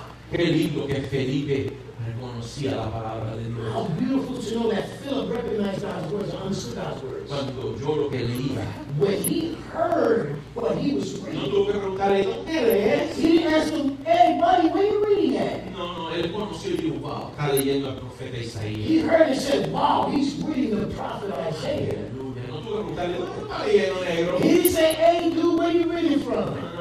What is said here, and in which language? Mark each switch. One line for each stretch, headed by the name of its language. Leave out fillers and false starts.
Spanish: Qué lindo que Felipe reconocía la palabra de Dios.
English: How beautiful to know that Philip recognized God's words, understood God's words.
Spanish: Cuando yo lo que leía.
English: When he heard what he was reading.
Spanish: No tuvo que preguntar eso.
English: He didn't ask him, hey buddy, what are you reading at?
Spanish: No, él conoció y dijo, wow, está leyendo al profeta Isaías.
English: He heard and said, wow, he's reading the prophet Isaiah. He didn't say, hey dude, where you reading from?